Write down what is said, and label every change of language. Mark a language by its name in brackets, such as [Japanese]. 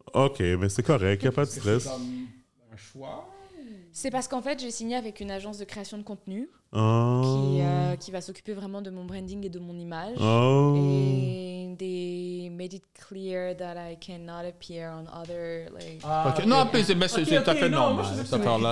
[French] Ok, mais c'est correct, il n'y a pas de stress. C'est comme un choix? C'est parce qu'en fait, j'ai signé avec une agence de création de contenu qui va s'occuper vraiment de mon branding et de mon image. Oh! [English] Et they made it clear that I cannot appear on other. Like, okay. [French] Non, mais c'est tout à fait normal, ça parle là.